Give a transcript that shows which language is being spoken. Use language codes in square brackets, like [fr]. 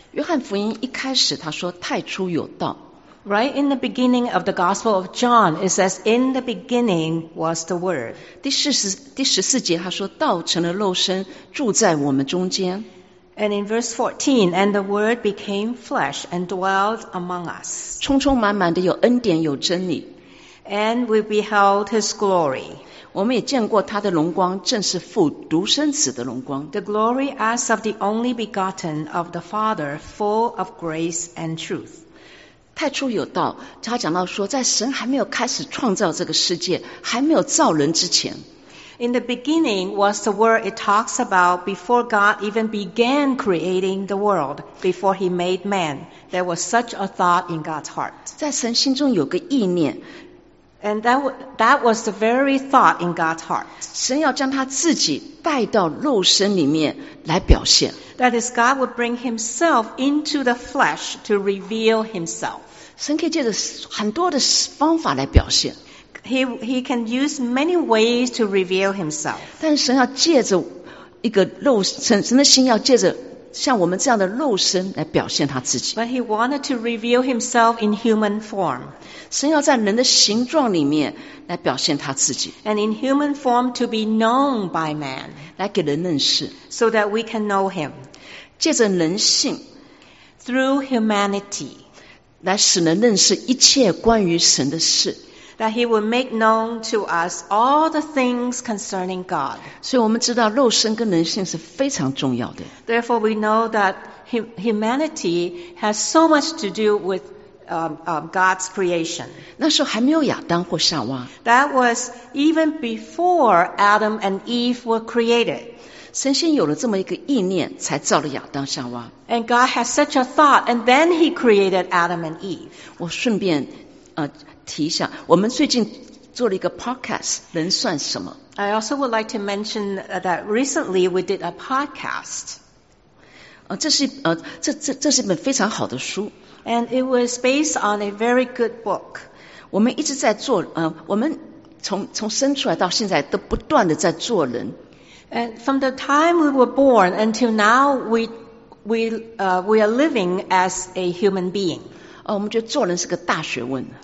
[zh] 约翰福音一开始他说太初有道。 [en] Right in the beginning of the Gospel of John, it says, in the beginning was the Word. [zh] 第十四节他说道成了肉身住在我们中间。 [en] And in verse 14, and the Word became flesh and dwelled among us. [zh] 充充满满的有恩典有真理。 [en] And we beheld His glory. [zh] 我们也见过他的荣光，正是父独生子的荣光。 [en] The glory as of the only begotten of the Father, full of grace and truth. [zh] 太初有道，他讲到说，在神还没有开始创造这个世界，还没有造人之前。 [en] In the beginning was the word it talks about before God even began creating the world, before He made man. There was such a thought in God's heart. [zh] 在神心中有个意念。 [en] And that was the very thought in God's heart. [zh] 神要将他自己带到肉身里面来表现。 [en] That is, God would bring Himself into the flesh to reveal Himself. [zh] 神可以借着很多的方法来表现。 [en] He can use many ways to reveal Himself. [zh] 但神要借着一个肉身，神的心要借着像我们这样的肉身来表现他自己。 [en] But He wanted to reveal Himself in human form. [zh] 神要在人的形状里面来表现他自己。 [en] And in human form to be known by man. [zh] 来给人认识。 [en] So that we can know Him. [zh] 借着人性。 [en] Through humanity. [zh] 来使人认识一切关于神的事。 [en] that he would make known to us all the things concerning God. [zh] 所以我们知道肉身跟人性是非常重要的。 [en] Therefore, we know that humanity has so much to do with God's creation. [zh] 那时候还没有亚当或夏娃。 [en] That was even before Adam and Eve were created. [zh] 神仙有了这么一个意念才造了亚当夏娃。 [en] And God has such a thought, and then he created Adam and Eve. [zh] 我顺便提一下，我们最近做了一个 podcast, 人算什么。 [en] I also would like to mention that recently we did a podcast. [zh] 这是一本非常好的书。 [en] And it was based on a very good book. [zh] 我们一直在做我们从生出来到现在都不断地在做人。 [en] And from the time we were born until now, we are living as a human being. [zh] 我们觉得做人是个大学问。